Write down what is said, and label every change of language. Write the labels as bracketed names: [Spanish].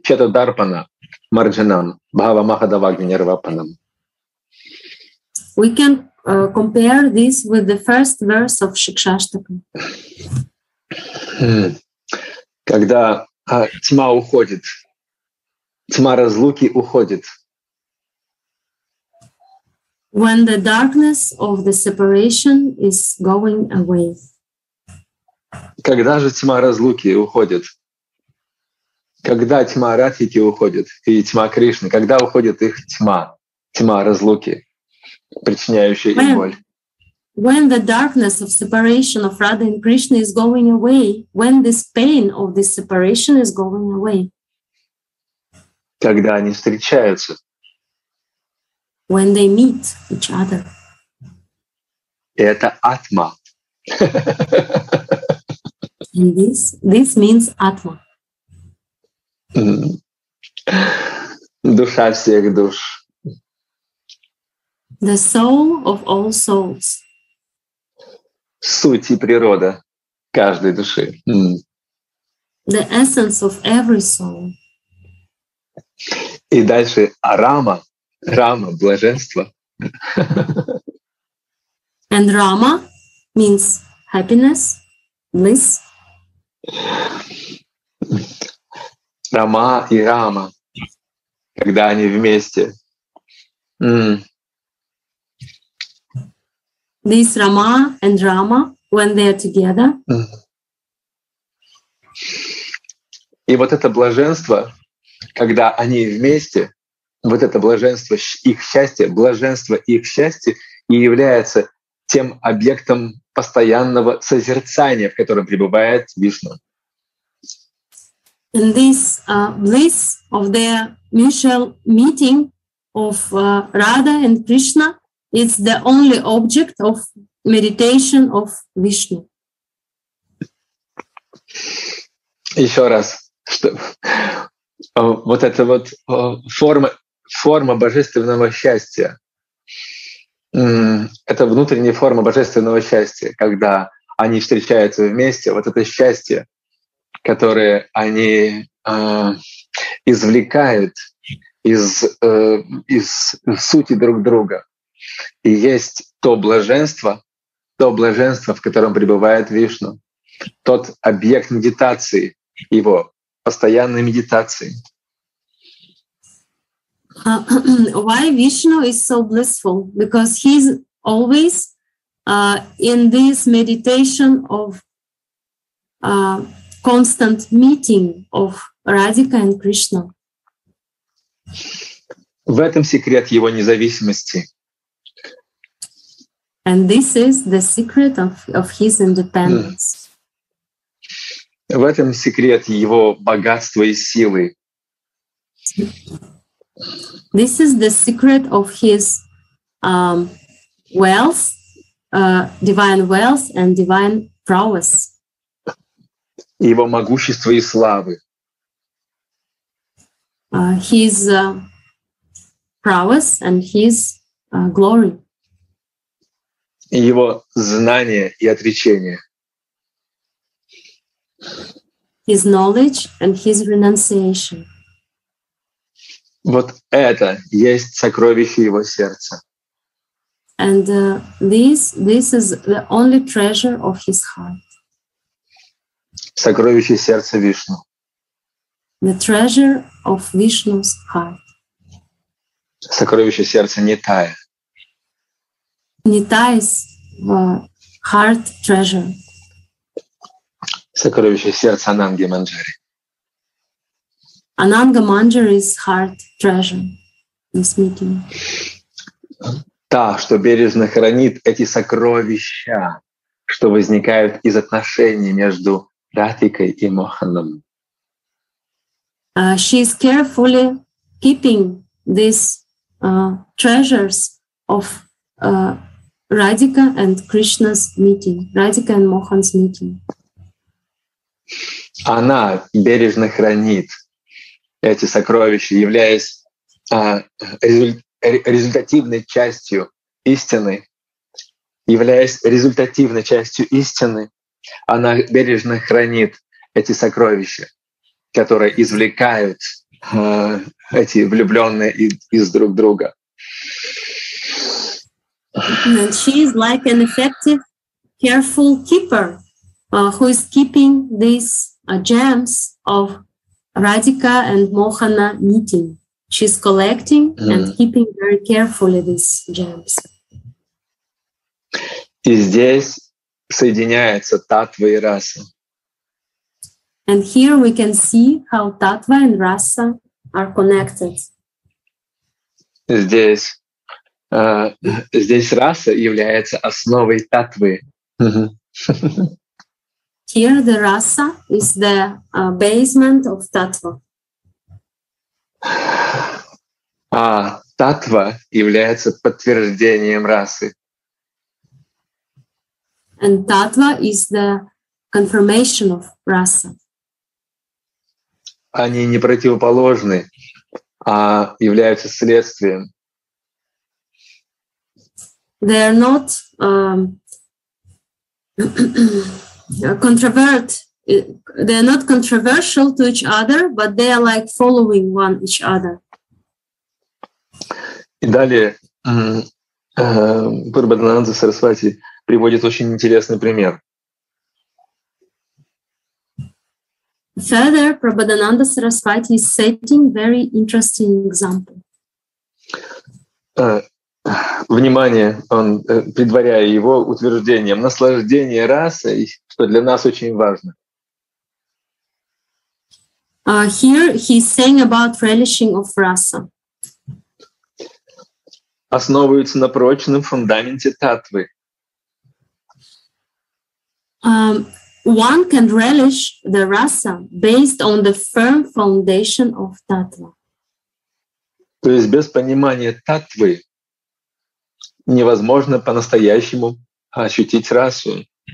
[Sanskrit] Чета дарпана марджанам бхава махадавагни рвапанам. [English] We can compare this with the first verse of Шикшаштака. [Russian] Когда тьма уходит, тьма разлуки уходит. [English] When the darkness of the separation is going away. [Russian] Когда же тьма разлуки уходит? Когда тьма Радхики уходит и тьма Кришны? Когда уходит их тьма, тьма разлуки, причиняющая им боль? [English] When the darkness of separation of Radha and Krishna is going away, when this pain of this separation is going away. [Russian] Когда они встречаются. [English] When they meet each other. [Russian] Это атма. [English] And this means атма. [Russian] Душа всех душ. [English] The soul of all souls. [Russian] Суть и природа каждой души. [English] The essence of every soul. [Russian] И дальше Рама, Рама, блаженство. [English] And Rama means happiness, bliss. [Russian] Рама и Рама, когда они вместе. [English] This Rama and Rama, when they are together. [Russian] И вот это блаженство, когда они вместе, вот это блаженство их счастья, блаженство их счастья и является тем объектом постоянного созерцания, в котором пребывает Вишну. And this bliss of their mutual meeting of Radha and Krishna, it's the only object of meditation of Vishnu. Еще раз, что вот эта вот форма божественного счастья, это внутренняя форма божественного счастья, когда они встречаются вместе, вот это счастье, которое они извлекают из сути друг друга. И есть то блаженство, в котором пребывает Вишну, тот объект медитации, его постоянной медитации. [English] Why Vishnu is so blissful? Because he's always in this meditation of constant meeting of Radhika and Krishna. [Russian] В этом секрет его независимости. [English] And this is the secret of his independence. [Russian] В этом секрет его богатства и силы. [English] This is the secret of his wealth, divine wealth and divine prowess. [Russian] Его могущество и славы. [English] His prowess and his glory. [Russian] Его знание и отречение. [English] His knowledge and his renunciation. [Russian] Вот это есть сокровище его сердца. [English] And this is the only treasure of his heart. [Russian] Сокровище сердца Вишну. [English] The treasure of Vishnu's heart. [Russian] Сокровище сердца Нитая. [English] Нитая's heart treasure. [Russian] Сокровище сердца Ананги Манджари. [English] Ананга Манджари's heart treasure. This meeting. [Russian] Та, что бережно хранит эти сокровища, что возникают из отношений между Радхикой и Моханом. [English] She is carefully keeping these treasures of Radhika and Krishna's meeting, Radhika and Mohan's meeting. [Russian] Она бережно хранит эти сокровища, являясь результативной частью истины, являясь результативной частью истины, она бережно хранит эти сокровища, которые извлекают эти влюбленные из друг друга. [English] And she is like an effective, careful keeper, who is keeping these gems of Radhika and Mohana meeting. She's collecting and keeping very carefully these gems. [Russian] И здесь соединяется татва и раса. [English] And here we can see how татва and раса are connected. [Russian] Здесь раса является основой татвы. [English] Here the rasa is the basement of татва. [Russian] А татва является подтверждением расы. [English] And татва is the confirmation of rasa. [Russian] Они не противоположны, а являются следствием. [English] They are not controvert. They are not controversial to each other, but they are like following one each other. [Russian] И далее Парбхананда Сарасвати приводит очень интересный пример. [English] Further, Prabodhananda Sarasvati is setting very interesting example. [Russian] Внимание, он предваряя его утверждением, наслаждение расой, что для нас очень важно. [English] Here he's saying about relishing of rasa. [Russian] Основывается на прочном фундаменте татвы. [English] One can relish the rasa based on the firm foundation of tattva. [Russian] То есть без понимания таттвы невозможно по-настоящему ощутить расу.